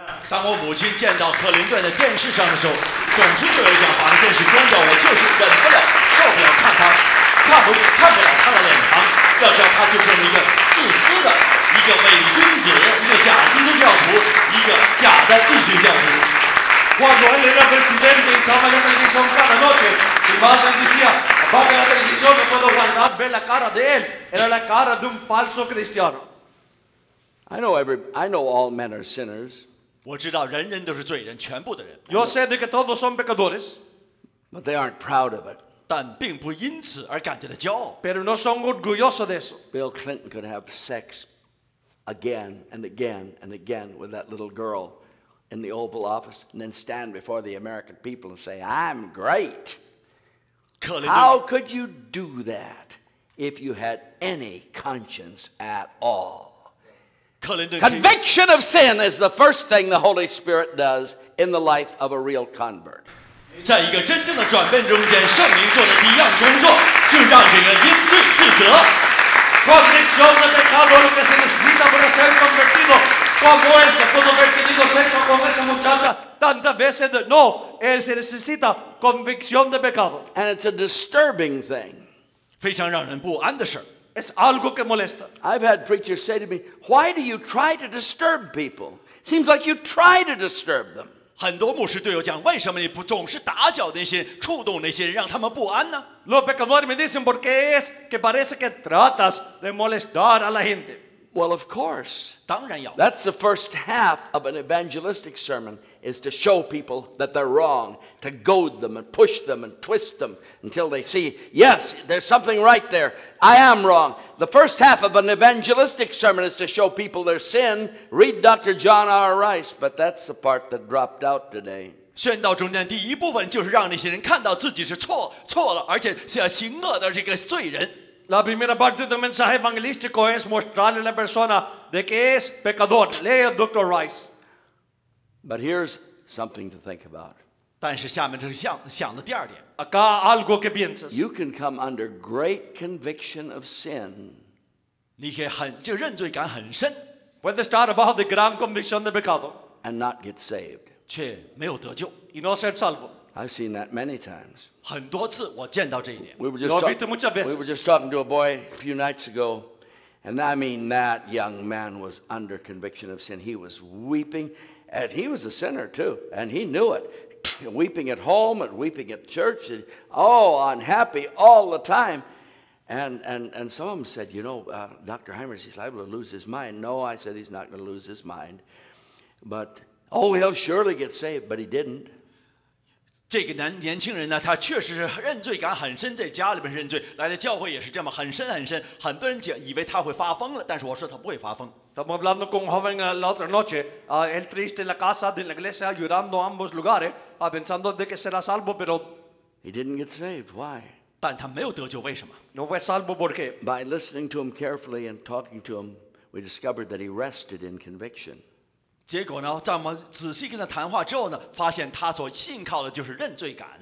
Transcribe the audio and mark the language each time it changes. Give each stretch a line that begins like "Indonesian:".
Chinese: 当我母亲见到克林顿在电视上的时候，总是有一种好像电视关掉，我就是忍不了、受不了看他，看不了他的脸庞。要知道，他就是一个自私的、一个伪君子、一个假基督教徒、一个假的继续教徒。
Spanish: Cuando él era presidente, estaba en la televisión cada noche. Mi madre decía, apaga la televisión, no puedo aguantar ver la cara de él. Era la cara de un falso cristiano.
English: I know all men are sinners.
Chinese: 我知道人人都是罪人，全部的人。
Spanish: Yo sé de que todos son pecadores,
English: but they aren't proud of it.
Chinese: 但并不因此而感觉到骄傲。
Spanish: Pero no son orgullosos de eso.
English: Bill Clinton could have sex again and again and again with that little girl in the Oval Office, and then stand before the American people and say, "I'm great." How could you do that if you had any conscience at all? Conviction of sin is the first thing the Holy Spirit does in the life of a real convert.
Chinese: 在一个真正的转变中间，圣灵做的第一样工作就让这个因罪自责。
Spanish: Convicción de pecado lo que se necesita para ser convertido. Cuando él se pudo haber tenido sexo con esa muchacha tantas veces, no, él se necesita convicción de pecado.
English: And it's a disturbing thing.
Chinese: 非常让人不安的事。
Spanish: Es algo que molesta.
English: I've had preachers say to me, why do you try to disturb people? Seems like you try to disturb them.
Chinese: 很多牧师对我讲，为什么你不总是打搅那些人，触动那些人，让他们不安呢？
Spanish: Los pecadores me dicen, ¿por qué es que parece que tratas de molestar a la gente?
English: Well, of course.
Chinese: 当然要。
English: That's the first half of an evangelistic sermon, is to show people that they're wrong, to goad them and push them and twist them until they see, yes, there's something right there. I am wrong. The first half of an evangelistic sermon is to show people their sin. Read Dr. John R. Rice, but that's the part that dropped out today.
Chinese: 宣道中间第一部分就是让那些人看到自己是错了，而且是行恶的这个罪人。
Spanish: La primera parte del mensaje evangelístico es mostrarle a la persona de que es pecador. Lea Dr. Rice.
English: But here's something to think about.
Chinese: 但是下面就是想的第二点。
Spanish: Acá algo que piensas.
English: You can come under great conviction of sin.
Chinese: 你可以很就认罪感很深。
Spanish: Puedes estar bajo de gran convicción de pecado.
English: And not get saved.
Chinese: 却没有得救。
Spanish: Y no ser salvo.
English: I've seen that many times.
Chinese: 很多次我见到这一点。
English: We were just talking to a boy a few nights ago, and I mean that young man was under conviction of sin. He was weeping, and he was a sinner too, and he knew it. Weeping at home and weeping at church, and, oh, unhappy all the time. And some of them said, you know, Dr. Hymers, he's liable to lose his mind. No, I said, he's not going to lose his mind. But, oh, he'll surely get saved, but he didn't.
Chinese: 这个年轻人呢，他确实是认罪感很深，在家里面认罪，来到教会也是这么很深很深。很多人以为他会发疯了，但是我说他不会发疯。
Spanish: Estamos hablando con un joven la otra noche, él triste en la casa, en la iglesia, llorando en ambos lugares, pensando de que será salvo, pero
English: he didn't get saved. Why?
Chinese: 但他没有得救，为什么
Spanish: ？No fue salvo porque.
English: By listening to him carefully and talking to him, we discovered that he rested in conviction.
Chinese: 结果呢，在我们仔细跟他谈话之后呢，发现他所信靠的就是认罪感。